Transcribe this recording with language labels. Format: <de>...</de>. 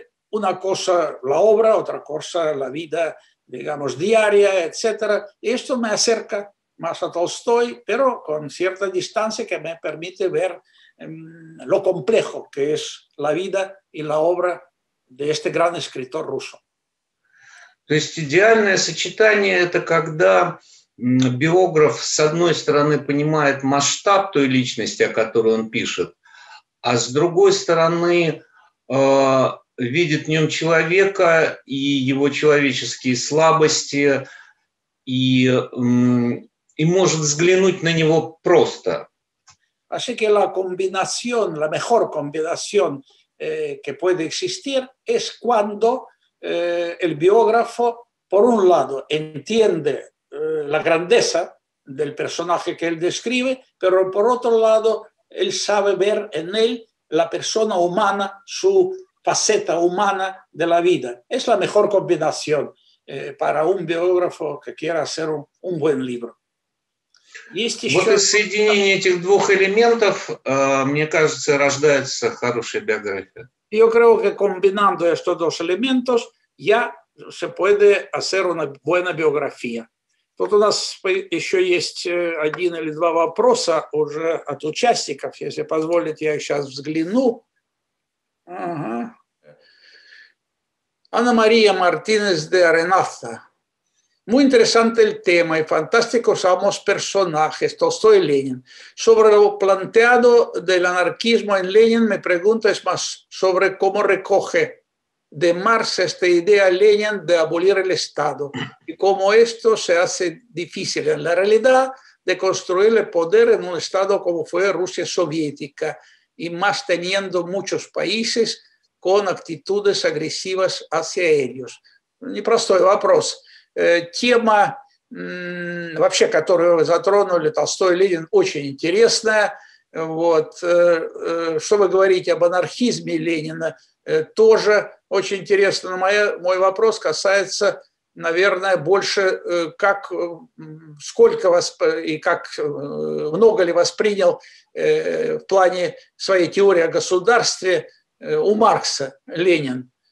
<es>Una cosa la obra, otra cosa la vida, digamos, diaria, etc. Y esto me acerca más a Tolstoy, pero con cierta distancia que me permite ver lo complejo que es la vida y la obra de este gran escritor ruso.</es> <ru>То есть идеальное сочетание – это когда биограф, с одной стороны, понимает масштаб той личности, о которой он пишет, а с другой стороны, видит в нем человека и его человеческие слабости, и может взглянуть на него просто.</ru> <es>Así que la combinación, la mejor combinación que puede existir es cuando el biógrafo, por un lado, entiende la grandeza del personaje que él describe, pero por otro lado, él sabe ver en él la persona humana, su faceta humana de la vida. Es la mejor combinación para un biógrafo que quiera hacer un buen libro.</es> <ru>Есть еще... Вот из соединения этих двух элементов, мне кажется, рождается хорошая биография.</ru> <es>Yo creo que combinando estos dos elementos ya se puede hacer una buena biografía.</es> <ru>Тут у нас еще есть один или два вопроса уже от участников. Если позволите, я сейчас взгляну. Ага.</ru> <es>Ana María Martínez de Arenaza. Muy interesante el tema y fantásticos ambos personajes, Tolstói y Lenin. Sobre lo planteado del anarquismo en Lenin, me pregunto es más sobre cómo recoge de Marx esta idea Lenin de abolir el Estado y cómo esto se hace difícil en la realidad de construir el poder en un Estado como fue Rusia soviética y más teniendo muchos países con actitudes agresivas hacia ellos.</es> <ru>Un простой вопрос. Тема, вообще, которую вы затронули, Толстой, Ленин, очень интересная. Вот. Что вы говорите об анархизме Ленина, тоже очень интересно. Но мой вопрос касается, наверное, больше, как, сколько вас и как много ли воспринял в плане своей теории о государстве у Маркса Ленин.</ru>